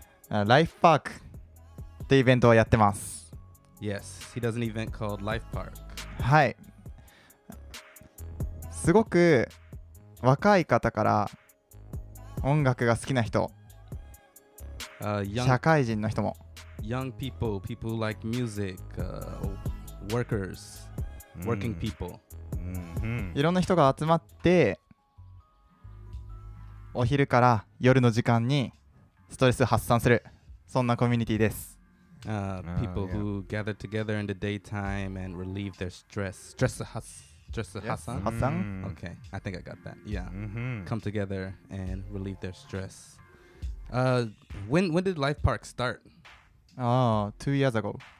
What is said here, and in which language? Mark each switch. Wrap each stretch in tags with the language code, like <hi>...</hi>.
<ja>はい。Life Park ってイベントをやってます。</ja> <en>Yes, he does an event called Life Park.</en> <ja>はい。すごく若い方から音楽が好きな人、</ja> <en>young,</en> <ja>社会人の人も。</ja> <en>Young people, people who like music, workers, working people.、</en> <ja>いろんな人が集まって、お昼から夜の時間にストレス発散する、そんなコミュニティです。</ja> <en>People who gather together in the daytime and relieve their stress. Stress-hasan? Yes. Hasan? Mm. Okay, I think I got that. Yeah. Mm-hmm. Come together and relieve their stress. When did Life Park start? Oh, 2 years ago.</en>